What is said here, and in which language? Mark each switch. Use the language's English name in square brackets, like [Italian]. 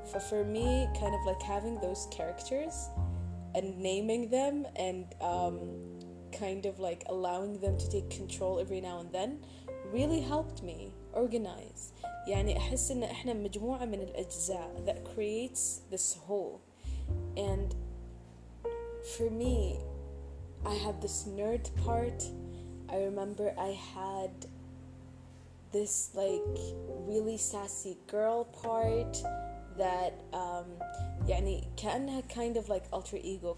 [English] For me, kind of like having those characters and naming them and kind of like allowing them to take control every now and then really helped me organize. [Arabic] يعني أحس إن إحنا مجموعة من الأجزاء [English] that creates this whole. And for me, I had this nerd part. I remember I had this, like, really sassy girl part that, [Arabic] يعني كأنها [English] kind of like alter ego.